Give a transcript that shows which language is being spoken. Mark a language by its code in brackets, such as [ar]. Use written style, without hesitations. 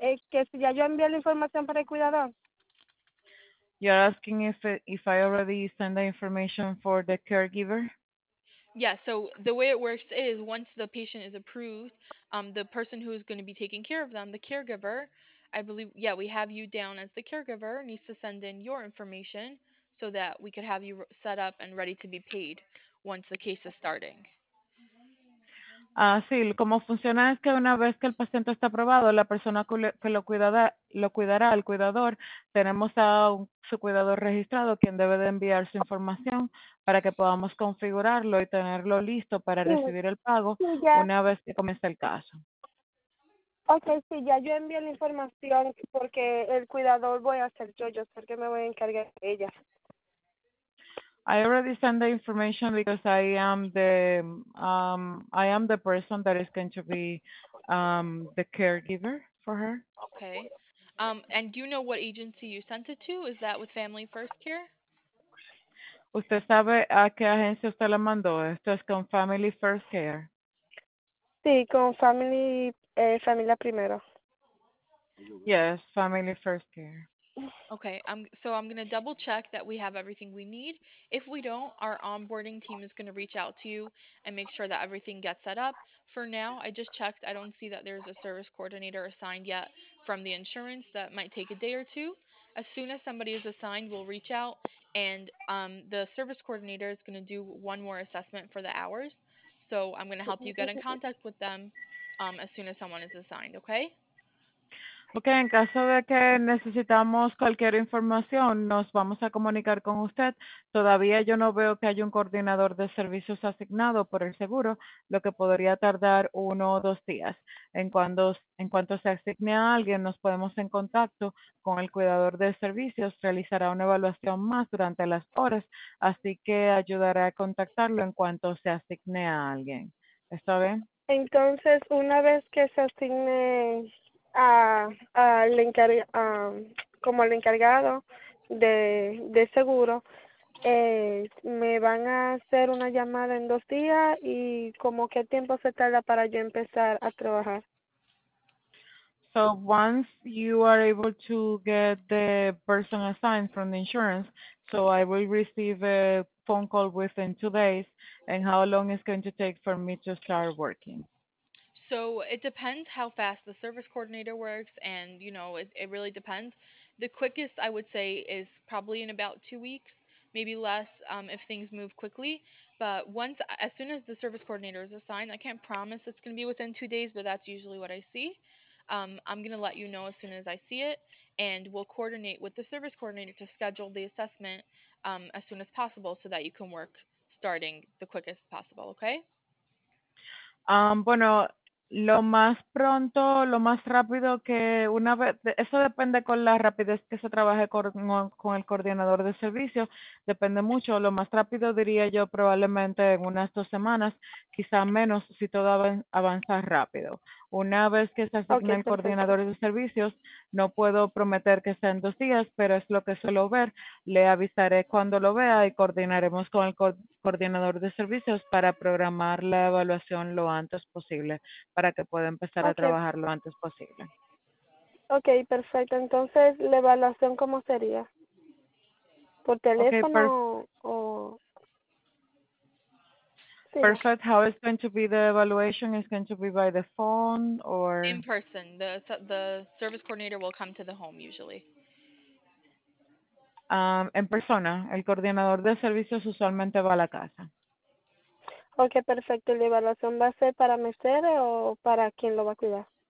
[es] Que si ya yo envié la información para el cuidador. [en] You're asking if I already send the information for the caregiver. Yeah, so the way it works is once the patient is approved, the person who is going to be taking care of them, the caregiver, I believe, yeah, we have you down as the caregiver, needs to send in your information so that we could have you set up and ready to be paid once the case is starting. [es] Sí, como funciona es que una vez que el paciente está aprobado, la persona que lo cuidará, el cuidador, tenemos a su cuidador registrado, quien debe de enviar su información para que podamos configurarlo y tenerlo listo para recibir el pago una vez que comience el caso. Okay, sí, ya yo envié la información porque el cuidador voy a ser yo sé que me voy a encargar de ella. [en] I already sent the information because I am the person that is going to be the caregiver for her. Okay. And do you know what agency you sent it to? Is that with Family First Care? [es] ¿Usted sabe a qué agencia usted la mandó? Esto es con Family First Care. Sí, con Familia Primero. [en] Yes, family first care. Okay, so I'm going to double check that we have everything we need. If we don't, our onboarding team is going to reach out to you and make sure that everything gets set up. For now, I just checked. I don't see that there's a service coordinator assigned yet from the insurance. That might take a day or two. As soon as somebody is assigned, we'll reach out, and the service coordinator is going to do one more assessment for the hours. So I'm going to help you get in contact with them as soon as someone is assigned, okay? [es] Okay, en caso de que necesitamos cualquier información, nos vamos a comunicar con usted. Todavía yo no veo que haya un coordinador de servicios asignado por el seguro, lo que podría tardar uno o dos días. En cuanto se asigne a alguien, nos ponemos en contacto con el cuidador de servicios, realizará una evaluación más durante las horas, así que ayudará a contactarlo en cuanto se asigne a alguien. ¿Está bien? Entonces, una vez que se asigne como el encargado de seguro, me van a hacer una llamada en dos días, y como qué tiempo se tarda para yo empezar a trabajar. [en] So once you are able to get the person assigned from the insurance, so I will receive a phone call within 2 days, and how long is going to take for me to start working? So it depends how fast the service coordinator works, and, you know, it really depends. The quickest, I would say, is probably in about 2 weeks, maybe less if things move quickly. But as soon as the service coordinator is assigned, I can't promise it's going to be within 2 days, but that's usually what I see. I'm going to let you know as soon as I see it, and we'll coordinate with the service coordinator to schedule the assessment as soon as possible so that you can work starting the quickest possible, okay? [es] Bueno, lo más pronto, lo más rápido que una vez, eso depende con la rapidez que se trabaje con el coordinador de servicio, depende mucho. Lo más rápido diría yo probablemente en unas 2 semanas, quizá menos si todo avanza rápido. Una vez que se asigne el coordinador de servicios, no puedo prometer que sea en 2 días, pero es lo que suelo ver. Le avisaré cuando lo vea y coordinaremos con el coordinador de servicios para programar la evaluación lo antes posible, para que pueda empezar a trabajar lo antes posible. Ok, perfecto. Entonces, ¿la evaluación cómo sería? ¿Por teléfono o...? [en] Perfect. How is going to be the evaluation? Is going to be by the phone or in person? The service coordinator will come to the home usually. [es] En persona. El coordinador de servicios usualmente va a la casa. Okay, perfecto. ¿La evaluación va a ser para mesero o para quien lo va a cuidar?